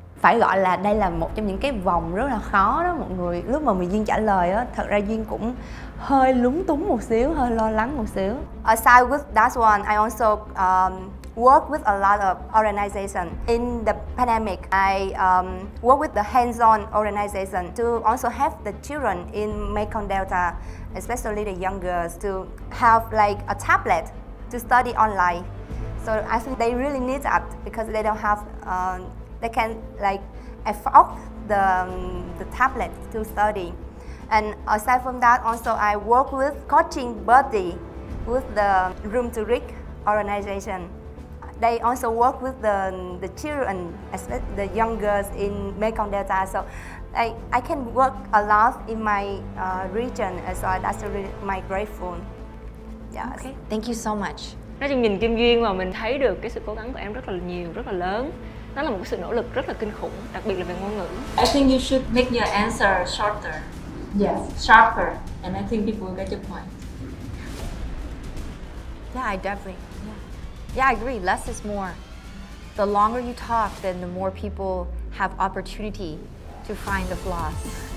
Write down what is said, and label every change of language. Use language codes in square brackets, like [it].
[vi] Phải gọi là đây là một trong những cái vòng rất là khó đó mọi người. Lúc mà mình Duyên trả lời á, thật ra Duyên cũng hơi lúng túng một xíu, hơi lo lắng một xíu. [en] Aside with that one, I also work with a lot of organization. In the pandemic, I work with the hands-on organization to also help the children in Mekong Delta, especially the young girls, to have like a tablet to study online. So I think they really need that because they don't have they can like afford the tablet to study. And aside from that, also I work with Coaching Buddy, with the Room to Read organization. They also work with the children, especially the young girls in Mekong Delta. So I can work a lot in my region, so that's really my grateful. Yes. Okay. Thank you so much. [vi] Nói chung nhìn Kim Duyên mà mình thấy được cái sự cố gắng của em rất là nhiều, rất là lớn. Nó là một cái sự nỗ lực rất là kinh khủng, đặc biệt là về ngôn ngữ. [en] I think you should make your answer shorter. Yes. Sharper. And I think people will get your point. Yeah, I definitely. Yeah, I agree. Less is more. The longer you talk, then the more people have opportunity to find the flaws.